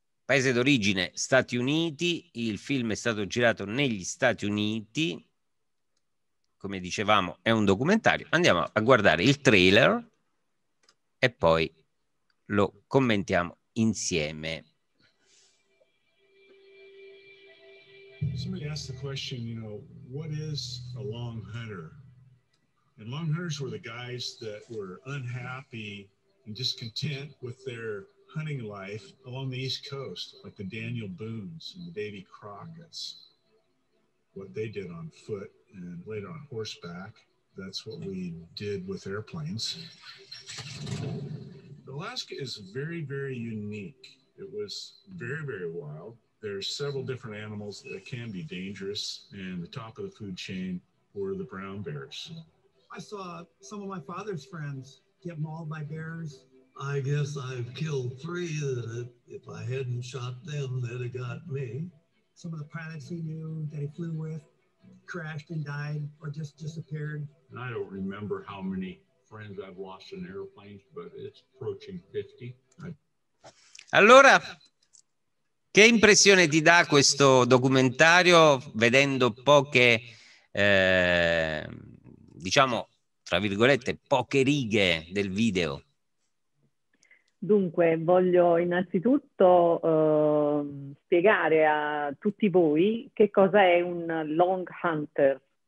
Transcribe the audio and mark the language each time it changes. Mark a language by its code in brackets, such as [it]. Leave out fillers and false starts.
[it] Paese d'origine Stati Uniti, il film è stato girato negli Stati Uniti, come dicevamo è un documentario. Andiamo a guardare il trailer e poi lo commentiamo insieme. [en] Somebody asked the question, you know, what is a long hunter? And long hunters were the guys that were unhappy and discontent with their hunting life along the East Coast, like the Daniel Boones and the Davy Crockett's. What they did on foot and later on horseback, that's what we did with airplanes. Alaska is very, very unique. It was very, very wild. There are several different animals that can be dangerous, and the top of the food chain were the brown bears. I saw some of my father's friends get mauled by bears. I guess I've killed three that if I hadn't shot them, they'd have got me. Some of the pilots he knew that he flew with crashed and died or just disappeared. And I don't remember how many friends I've lost in airplanes, but it's approaching 50. [it] Allora, che impressione ti dà questo documentario vedendo poche, diciamo, tra virgolette, poche righe del video? Dunque, voglio innanzitutto spiegare a tutti voi che cosa è un long hunter.